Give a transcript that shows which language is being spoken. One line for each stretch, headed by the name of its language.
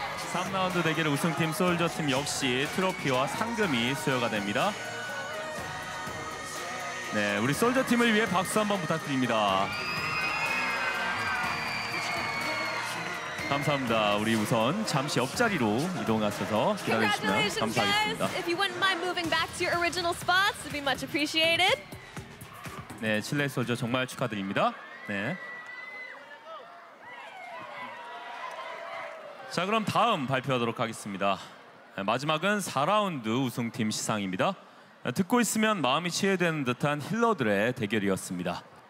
Korean: 3라운드 대결 우승팀 솔저팀 역시 트로피와 상금이 수여가 됩니다. 네, 우리 솔저 팀을 위해 박수 한번 부탁드립니다. 감사합니다. 우리 우선 잠시 옆자리로 이동하셔서 기다려주시면 감사하겠습니다.
English: If you wouldn't mind moving back to your original spots, it'd be much appreciated.
Korean: 네, 칠레 솔저 정말 축하드립니다. 네. 자, 그럼 다음 발표하도록 하겠습니다. 마지막은 4라운드 우승팀 시상입니다. 듣고 있으면 마음이 치유되는 듯한 힐러들의 대결이었습니다.